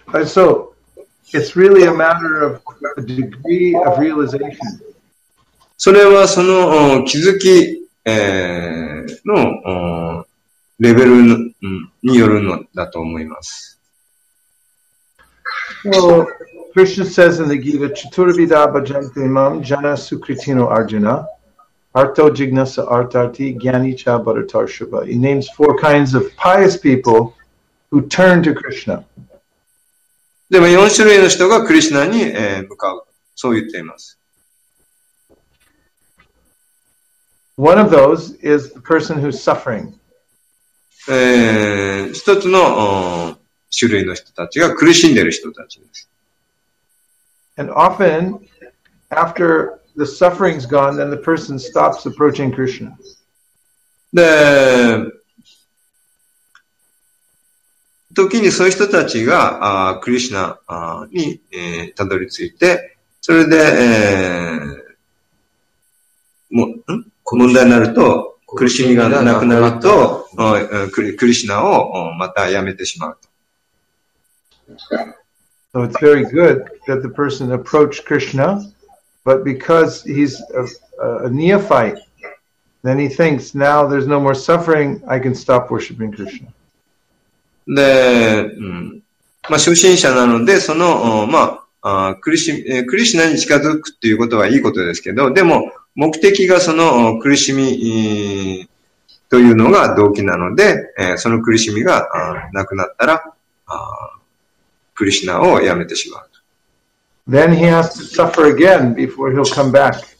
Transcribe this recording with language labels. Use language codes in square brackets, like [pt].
[en] So, it's really a matter of a degree of realization. [ja] それはその気づき、のレベルの、によるのだと思います。 [en] Well, Krishna says in the Gita, [sa] Chaturvida bhajante imam jana sukritino arjuna arto jignasa artarti gyani cha bharatarshava. [en] He names four kinds of pious people who turn to Krishna. [ja] でも4種類の人がクリシュナに、向かう。そう言っています。 [en] One of those is the person who's suffering. [ja] 一つの種類の人たちが苦しんでる人たちです。 And often, after the suffering's gone, then the person stops approaching Krishna. で、時にそういう人たちがクリシュナにたどり着いて、それで、もう、ん？問題になると、苦しみがなくなると、クリシナをまたやめてしまうと。 [en] So it's very good that the person approached Krishna, but because he's a neophyte, then he thinks, now there's no more suffering, I can stop worshipping Krishna. [ja] で、まあ、初心者なので、その、まあ、クリシナに近づくっていうことはいいことですけど、でも、目的がその苦しみというのが動機なので、その苦しみがなくなったら、クリシナをやめてしまう。 [en] Then he has to suffer again before he'll come back.